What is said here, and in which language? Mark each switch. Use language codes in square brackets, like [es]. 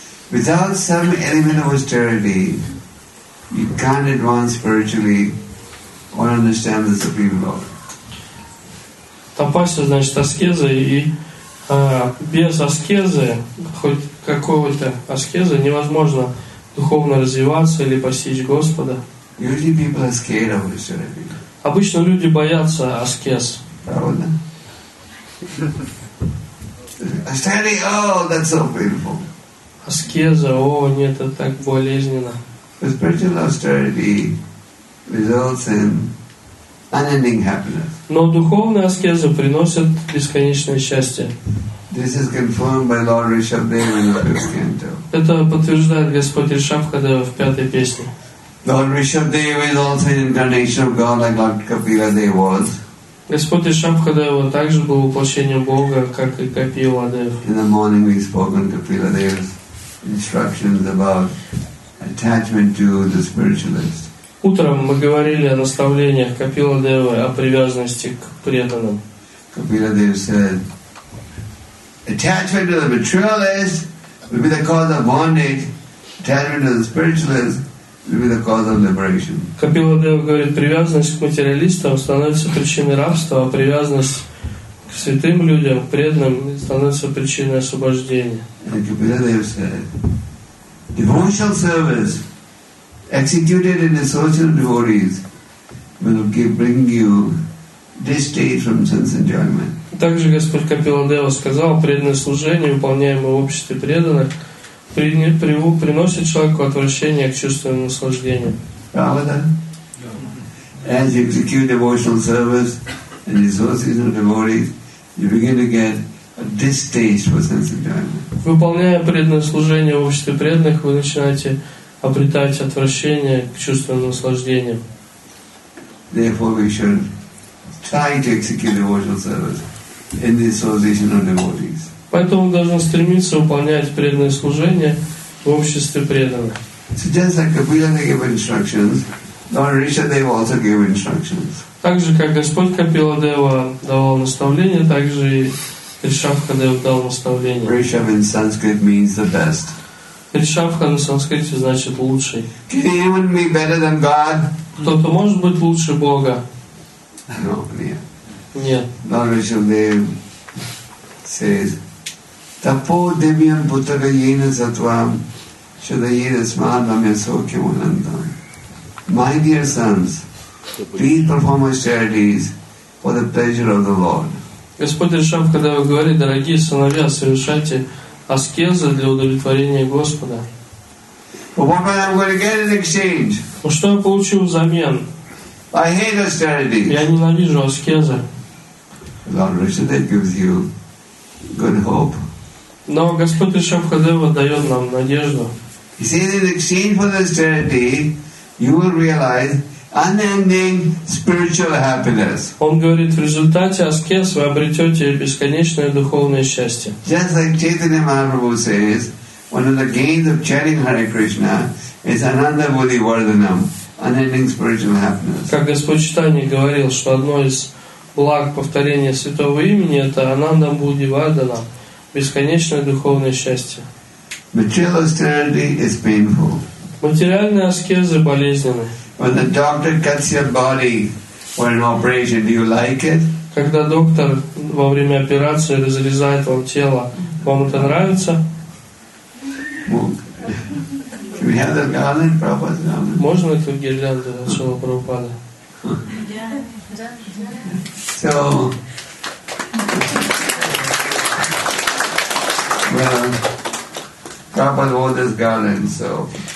[en] Without some element of austerity, you can't advance spiritually or understand the Supreme Lord. [ru] Тапаса, значит, аскеза, и без аскезы, хоть какого-то аскезы, невозможно духовно развиваться или постичь Господа. [en] Usually people are scared of austerity. [ru] Обычно люди боятся аскез. Правда? [en] Austerity, oh, that's so painful. [ru] Аскеза, о, нет, это так болезненно. [en] Spiritual austerity results in unending happiness. [ru] Но духовная аскеза приносит бесконечное счастье. [en] This is confirmed by Lord Rishabhdev in the fifth canto. [ru] Это подтверждает Господь Ришабхадева в пятой песне. [en] Lord Rishabhdev is also an incarnation of God, like Lord Kapila Dev was. [ru] Господь Ришабхадева также был воплощением Бога, как и Капила Дев. [en] In the morning we spoke on Kapila Dev's instructions about attachment to the spiritualist. [ru] Утром мы говорили о наставлениях Капила Девы о привязанности к преданным. [en] Капила Дев said, attachment to the materialist will be the cause of bondage. Attachment to the spiritualist will be the cause of liberation. [ru] Капила Дева говорит, привязанность к материалистам становится причиной рабства, а привязанность к святым людям, к преданным, становится причиной освобождения. [en] Капила Дев said, devotional service executed in association with devotees will bring you distaste from sense enjoyment. [ru] Также Господь Капиладева сказал, преданное служение, выполняемое в обществе преданных, приносит человеку отвращение к чувственному наслаждению. Правда? [en] As you execute devotional service in association with devotees, you begin to get a distaste for sense enjoyment. [ru] Выполняя преданное служение в обществе преданных, вы начинаете обретать отвращение к чувственным наслаждениям. [en] Therefore, we should try to execute devotional service in the association of devotees. [ru] Поэтому мы должны стремиться выполнять преданное служение в обществе преданных. [en] So just like Kapila gave instructions, Lord Rishabhdev also gave instructions. [ru] Так же, как Господь Капиладева давал наставления, так же и Ришабхадев дал наставление. [en] Rishabh in Sanskrit means the best. [ru] Ришабха на санскрите значит лучший. [en] Can anyone be better than God? [ru] Кто-то может быть лучше Бога? [en] No, [ru] нет. [en] Lord Rishabhdev says, [sa] Tapo devyam putra yena satvam shudayena smadvam yasokya manantam. [en] My dear sons, please perform austerities for the pleasure of the Lord. [ru] Господь Ришабхадева говорит, дорогие сыновья, совершайте аскезы для удовлетворения Господа. Но что я получу взамен? [en] I hate austerities. [ru] Я ненавижу аскезы. [en] Lord Rishabhdev gives you good hope. [ru] Но Господь Ришабхадева дает нам надежду. [en] He says, in exchange for the austerity, you will realize unending spiritual happiness. [ru] Он говорит, в результате аскез вы обретете бесконечное духовное счастье. [en] Just like Chaitanya Mahaprabhu says, one of the gains of chanting Hare Krishna is [sa] ananda buddhi vardhanam, [en] unending spiritual happiness. [ru] Как Господь Читания говорил, что одно из благ повторения святого имени это [sa] ананда буддхи вардана, [ru] бесконечное духовное счастье. [en] Material austerity is painful. [ru] Материальные аскезы болезненны. [en] When the doctor cuts your body for an operation, do you like it? [ru] Когда доктор во время операции разрезает вам тело, вам это нравится? [en] Can we have the garland, Prabhupada? [ru] Можно эту гирлянду Шрила Прабхупады? [en] So, well, Prabhupada wore this garland, so.